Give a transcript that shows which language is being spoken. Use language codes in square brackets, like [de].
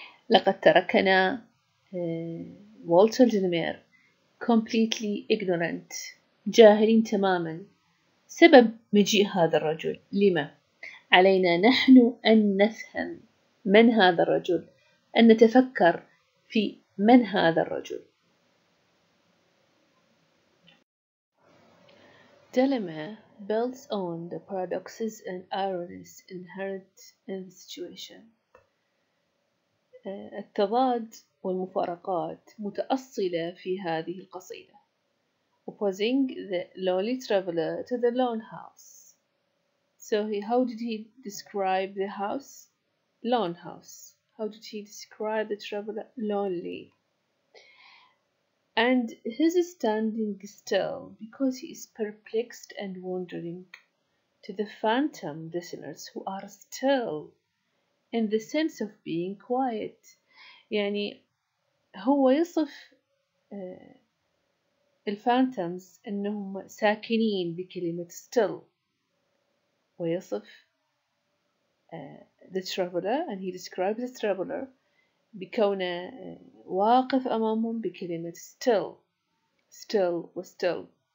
[ar] لقد تركنا والتر دينمير [en] completely ignorant, [ar] جاهلين تماما سبب مجيء هذا الرجل. لما؟ علينا نحن أن نفهم من هذا الرجل, أن نتفكر في من هذا الرجل. [en] دلما builds on the paradoxes and ironies inherent in the situation. [ar] التضاد والمفارقات متأصلة في هذه القصيدة. [en] Opposing the lonely traveler to the lone house. So how did he describe the house? Lone house. How did he describe the traveler? Lonely. And his standing still because he is perplexed and wondering to the phantom listeners who are still in the sense of being quiet. [ar] يعني هو يصف الفانتمز انهم ساكنين بكلمة still, ويصف [en] the traveler and he describes the traveler [ar] بكونه واقف أمامهم بكلمة still, still وstill.